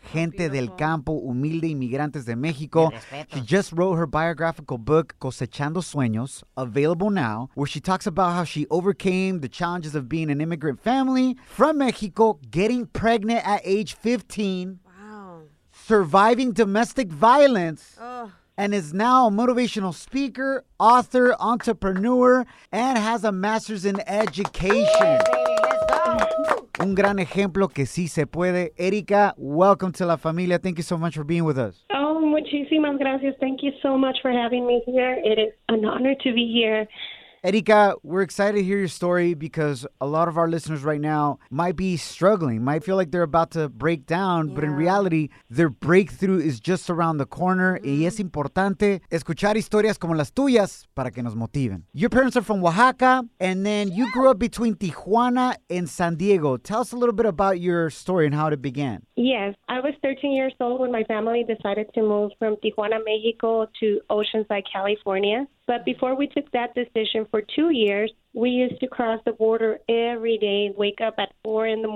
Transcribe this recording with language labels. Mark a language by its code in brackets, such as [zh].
[es] Gente del campo, humilde inmigrantes de México. [en] She just wrote her biographical book, Cosechando Sueños, available now, where she talks about how she overcame the challenges of being an immigrant family from Mexico, getting pregnant at age 15, surviving domestic violence, and is now a motivational speaker, author, entrepreneur, and has a master's in education. [es] Un gran ejemplo que sí se puede. [en] Erika, welcome to La Familia. Thank you so much for being with us. [es] Oh, muchísimas gracias. [en] Thank you so much for having me here. It is an honor to be here. Erika, we're excited to hear your story because a lot of our listeners right now might be struggling, might feel like they're about to break down, but in reality, their breakthrough is just around the corner. Mm-hmm. [es] Y es importante escuchar historias como las tuyas para que nos motiven. [en] Your parents are from Oaxaca, and then you grew up between Tijuana and San Diego. Tell us a little bit about your story and how it began. Yes, I was 13 years old when my family decided to move from Tijuana, Mexico to Oceanside, California. But before we took that decision, for 2 years, we used to cross the border every day, wake up at 4 a.m.